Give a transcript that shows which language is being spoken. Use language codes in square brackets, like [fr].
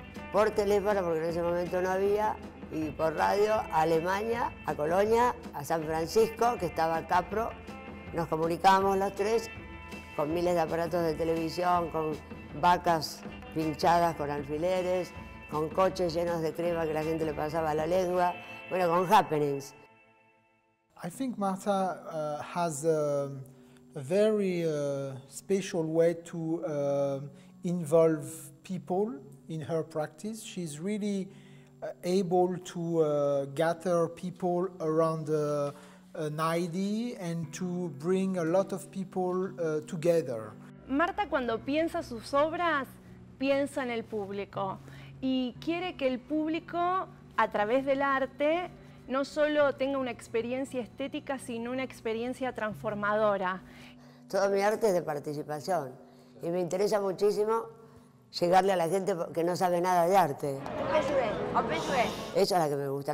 [es] Por teléfono, porque en ese momento no había, y por radio a Alemania, a Colonia, a San Francisco, que estaba Capro. Nos comunicábamos los tres con miles de aparatos de televisión, con vacas pinchadas con alfileres, con coches llenos de crema que la gente le pasaba a la lengua, bueno, con happenings. [en] I think Marta has a very special way to involve people in her practice. She's really able to gather people around an idea and to bring a lot of people together. [es] Marta, cuando piensa sus obras, piensa en el público y quiere que el público, a través del arte, no solo tenga una experiencia estética, sino una experiencia transformadora. Todo mi arte es de participación y me interesa muchísimo llegarle a la gente que no sabe nada de arte. Eso es lo que me gusta.